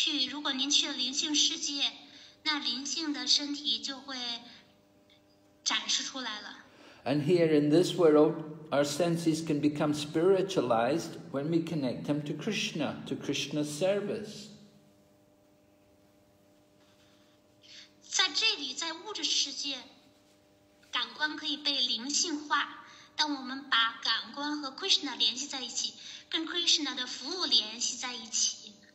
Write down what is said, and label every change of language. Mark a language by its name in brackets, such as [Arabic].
[Chinese] 如果您去了灵性世界，那灵性的身体就会展示出来了。 [English] And here in this world, our senses can become spiritualized when we connect them to Krishna, to Krishna's service. [Chinese] 在这里，在物质世界，感官可以被灵性化。当我们把感官和 Krishna 联系在一起，跟 Krishna 的服务联系在一起。